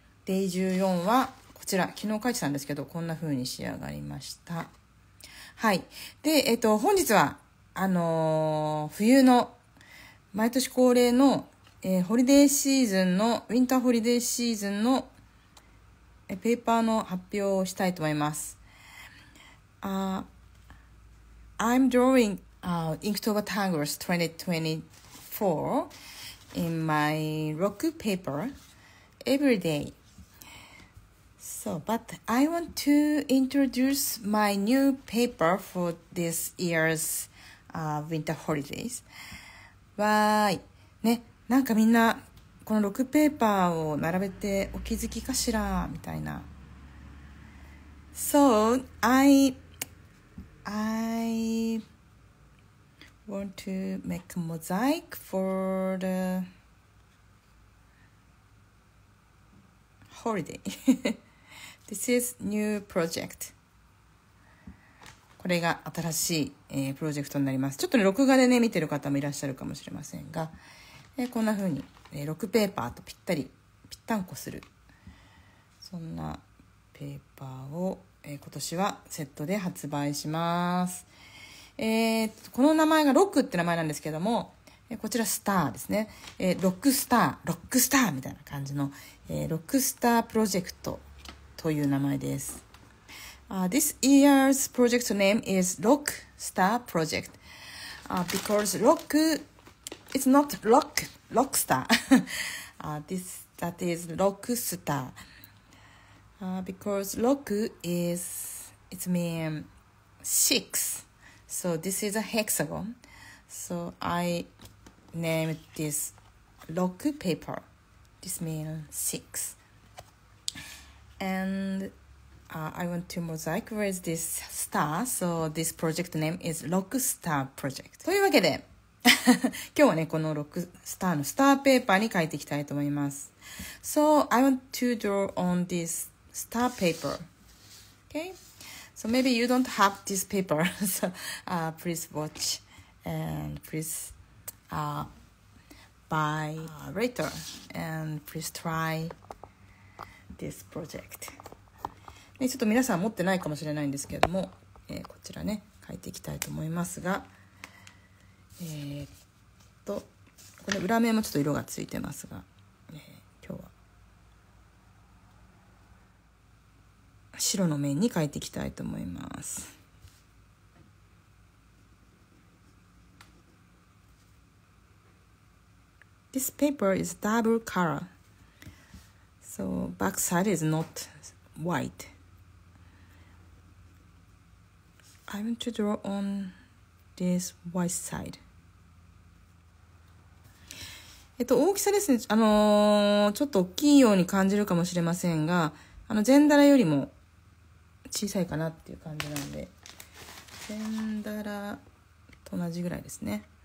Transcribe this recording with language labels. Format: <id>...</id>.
<ja>デイ14はこちら、昨日書いてたんですけど、こんな風に仕上がりました。はい。で、本日は、冬の、毎年恒例の、ホリデーシーズンの、ウィンターホリデーシーズンの、ペーパーの発表をしたいと思います。</ja> <en>I'm drawing, Inktober Tanglers 2024 in my rock paper every day. So, but I want to introduce my new paper for this year's, winter holidays. Why?</en> <ja>ね、なんかみんなこの6ペーパーを並べてお気づきかしらみたいな。</ja> <en>So, I want to make a mosaic for the holiday. This is new project.</en> <ja>これが新しい、プロジェクトになります。ちょっとね、録画でね、見てる方もいらっしゃるかもしれませんが、こんな風に、6ペーパーとぴったり、ぴったんこする。そんなペーパーを、今年はセットで発売します。この名前がロックって名前なんですけども、こちらスターですね。ロックスター、ロックスターみたいな感じの、ロックスタープロジェクト。という名前です。</ja> <en>This year's project name is Rock Star Project. Because Rock, it's not Rock, Rock Star. that is Rock Star. Because Rock is, it means six. So this is a hexagon. So I named this Rock Paper. This means six. And, I want to mosaic with this star, so this project name is Rock Star Project.</en> <ja>というわけで、今日はね、このロックスターのスターペーパーに書いていきたいと思います。</ja> <en>So, I want to draw on this star paper. Okay? So maybe you don't have this paper, so, please watch and please, buy later and please try. This project.</en> <ja>ちょっと皆さん持ってないかもしれないんですけれども、こちらね書いていきたいと思いますが、これ裏面もちょっと色がついてますが、今日は白の面に書いていきたいと思います。</ja> <en>This paper is double color. So back side is not white. I want to draw on this white side.</en> <ja>大きさですね。ちょっと大きいように感じるかもしれませんが、あのゼンダラよりも小さいかなっていう感じなんで、ゼンダラと同じぐらいですね。</ja>